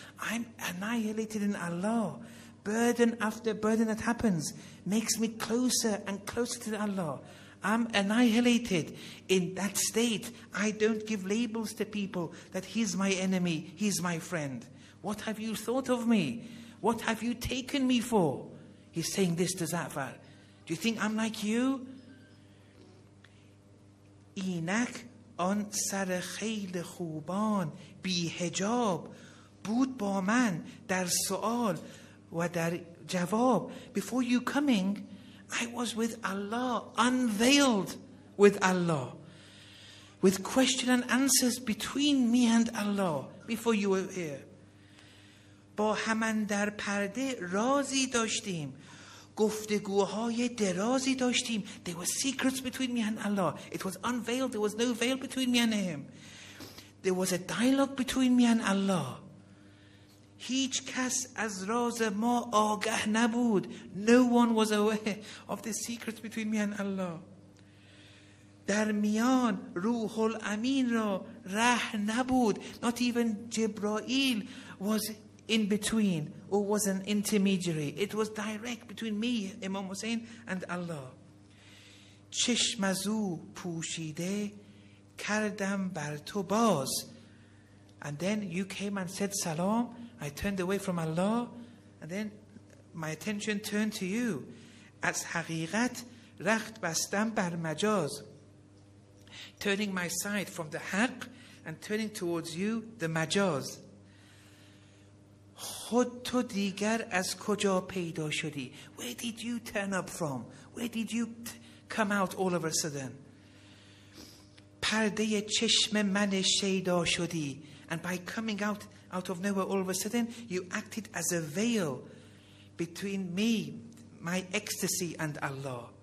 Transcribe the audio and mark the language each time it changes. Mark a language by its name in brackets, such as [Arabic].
[English] I'm annihilated in Allah. Burden after burden that happens makes me closer and closer to Allah. I'm annihilated. In that state, I don't give labels to people that he's my enemy, he's my friend. What have you thought of me? What have you taken me for? He's saying this to Zafar. Do you think I'm like you? [Persian] اینک آن سر خیلی خوبان بی حجاب بود با من در سؤال و در جواب. [English] Before you coming, I was with Allah, unveiled with Allah, with question and answers between me and Allah before you were here. [Persian] با همان در پرده رازی داشتیم گفتگوهای درازی داشتیم. [English] There were secrets between me and Allah. It was unveiled. There was no veil between me and him. There was a dialogue between me and Allah. [Persian] هیچ کس از راز ما آگاه نبود. [English] No one was aware of the secrets between me and Allah. [Persian] در میان روح الامین را راه نبود. [English] Not even Jibreel was in between or was an intermediary. It was direct between me, Imam Hussein, and Allah. [Persian] چشم از او پوشیده کردم بر تو باز. [English] And then you came and said salam. I turned away from Allah, and then my attention turned to you. [Persian] از حقیقت رخت بستم بر مجاز. [English] Turning my side from the haq and turning towards you, the majaz. [Persian] خود تو دیگر از کجا پیدا شدی؟ [English] Where did you turn up from? Where did you come out all of a sudden? [Persian] پرده چشم من شیدا شدی. [English] And by coming out of nowhere all of a sudden, you acted as a veil between me, my ecstasy, and Allah.